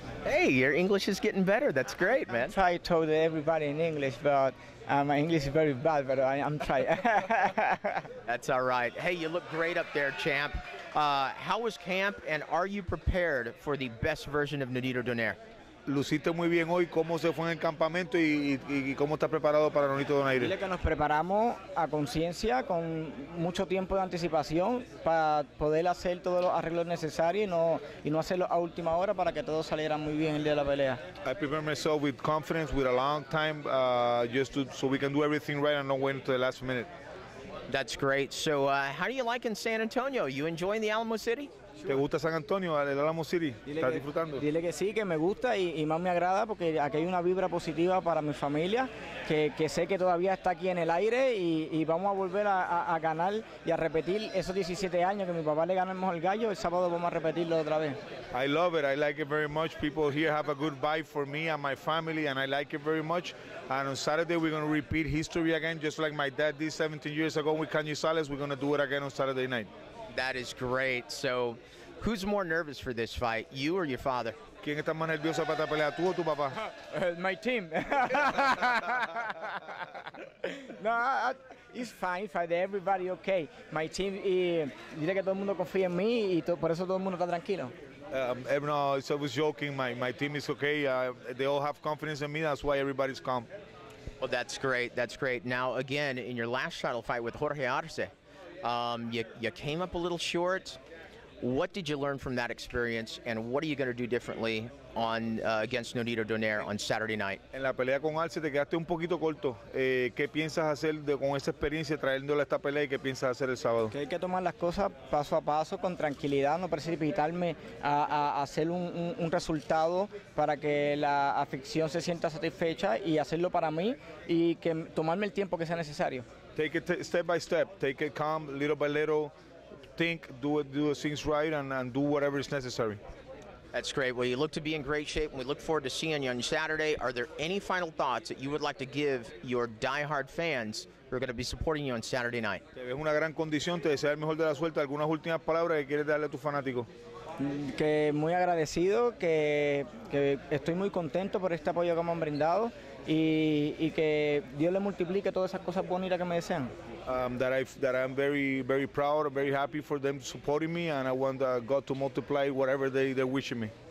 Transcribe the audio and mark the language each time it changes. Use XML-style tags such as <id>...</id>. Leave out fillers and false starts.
<en>Hey, your English is getting better. That's great, man. I try to talk to everybody in English, but my English is very bad, but I'm trying. That's all right. Hey, you look great up there, champ. How was camp, and are you prepared for the best version of Nonito Donaire?</en> <es>Luciste muy bien hoy. ¿Cómo se fue en el campamento y cómo estás preparado para Nonito Donaire? Dile que nos preparamos a conciencia, con mucho tiempo de anticipación, para poder hacer todos los arreglos necesarios y no hacerlo a última hora para que todo saliera muy bien el día de la pelea.</es> <en>I prepare myself with confidence, with a long time, so we can do everything right and not wait until the last minute. That's great. So how do you like in San Antonio? You enjoying the Alamo City?</en> <es>¿Te gusta San Antonio, el Alamo City? ¿Estás disfrutando? Dile que sí, que me gusta y más me agrada porque aquí hay una vibra positiva para mi familia, que sé que todavía está aquí en el aire y vamos a volver a ganar y a repetir esos 17 años que mi papá le ganó el mejor gallo. El sábado vamos a repetirlo otra vez.</es> <en>I love it. I like it very much. People here have a good vibe for me and my family, and I like it very much. And on Saturday, we're going to repeat history again, just like my dad did 17 years ago with Canyon Sales. We're going to do it again on Saturday night. That is great. So, who's more nervous for this fight, you or your father?</en> <es>¿Quién está más nervioso para esta pelea, tú o tu papá?</es> <en>My team. No, it's fine, fine. Everybody okay. My team,</en> <es>dile que todo el mundo confía en mí y por eso todo el mundo está tranquilo.</es> <en>No, it's always joking. My team is okay. They all have confidence in me. That's why everybody's calm. Well, that's great. That's great. Now, again, in your last title fight with Jorge Arce, you came up a little short. What did you learn from that experience, and what are you going to do differently against Nonito Donaire on Saturday night?</en> <es>En la pelea con Arce te quedaste un poquito corto. ¿Qué piensas hacer con esa experiencia trayéndola a esta pelea, y qué piensas hacer el sábado? Que hay que tomar las cosas paso a paso, con tranquilidad, no precipitarme a hacer un resultado para que la afición se sienta satisfecha, y hacerlo para mí y que tomarme el tiempo que sea necesario.</es> <en>Take it step by step. Take it calm, little by little. Think, do things right, and do whatever is necessary. That's great. Well, you look to be in great shape, and we look forward to seeing you on Saturday. Are there any final thoughts that you would like to give your diehard fans who are going to be supporting you on Saturday night?</en> <es>Te ves una gran condición. Te deseo el mejor de la suerte. ¿Algunas últimas palabras que quieres darle a tu fanático? Que muy agradecido, que estoy muy contento por este apoyo que me han brindado y que Dios le multiplique todas esas cosas bonitas que me desean.</es> <en>That I'm very, very proud, very happy for them supporting me, and I want God to multiply whatever they're wishing me.</en>